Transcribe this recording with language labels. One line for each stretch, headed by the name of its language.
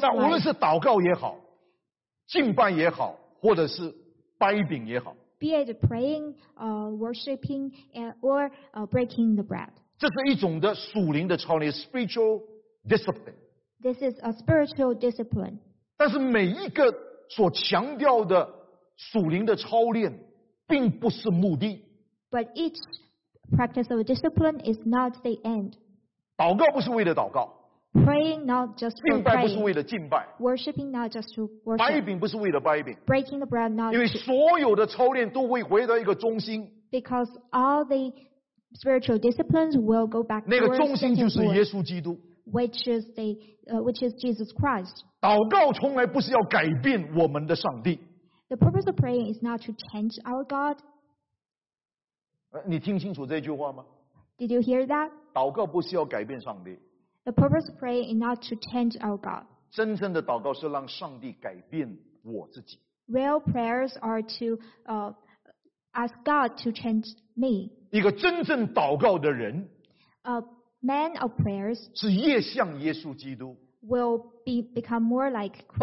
Chinese: 那无论是祷告也好，敬拜也好，或者是掰饼也好
English: ，be it praying, worshiping, or breaking the bread.
Chinese: 这是一种的属灵的操练 ，
English: spiritual discipline. This is a spiritual discipline.
Chinese: 但是每一个所强调的属灵的操练，并不是目的。
English: But each practice of discipline is not the end.
Chinese: 祷告不是为了祷告。
English: Praying not just for praying.
Chinese: 敬拜不是为了敬拜。
English: Worshipping not just to worship.
Chinese: 掰饼不是为了掰饼。
English: Breaking the bread not.
Chinese: 因为所有的操练都会回到一个中心。
English: Because all the spiritual disciplines will go back to.
Chinese: 那个中心就是耶稣基督。
English: Which is Jesus Christ.
Chinese: 祷告从来不是要改变我们的上帝。
English: The purpose of praying is not to change our God.
Chinese: 你听清楚这句话吗？
English: Did you hear that?
Chinese: 祷告不是要改变上帝。
English: The purpose of praying is not to change our God.
Chinese: 真正的祷告是让上帝改变我自己。
English: Real prayers are to ask God to change me.
Chinese: 一个真正祷告的人
English: A man of prayers
Chinese: 是越像耶稣基督
English: will become more like Christ.